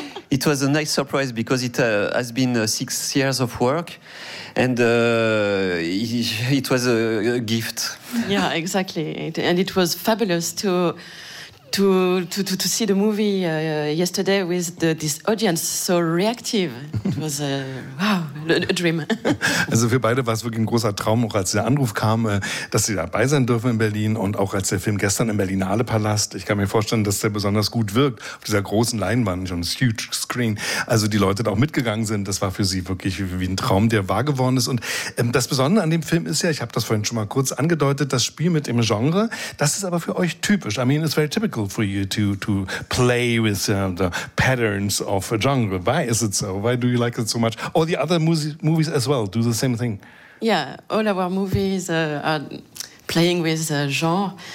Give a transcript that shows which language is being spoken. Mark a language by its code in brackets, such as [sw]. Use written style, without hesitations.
[en] It was a nice surprise because it has been 6 years of work and it was a gift. Yeah, exactly. And it was fabulous to see the movie yesterday with this audience so reactive. It was a dream. [de] Also für beide war es wirklich ein großer Traum, auch als der Anruf kam, dass sie dabei sein dürfen in Berlin und auch als der Film gestern im Berlinale Palast. Ich kann mir vorstellen, dass der besonders gut wirkt auf dieser großen Leinwand, schon das [en] huge screen. [de] Also die Leute da auch mitgegangen sind, das war für sie wirklich wie ein Traum, der wahr geworden ist. Und das Besondere an dem Film ist ja, ich habe das vorhin schon mal kurz angedeutet, das Spiel mit dem Genre, das ist aber für euch typisch. [en] I mean, it's very typical for you to play with the patterns of a genre. Why is it so? Why do you like it so much? All the other movies as well do the same thing. Yeah, all our movies are playing with genre.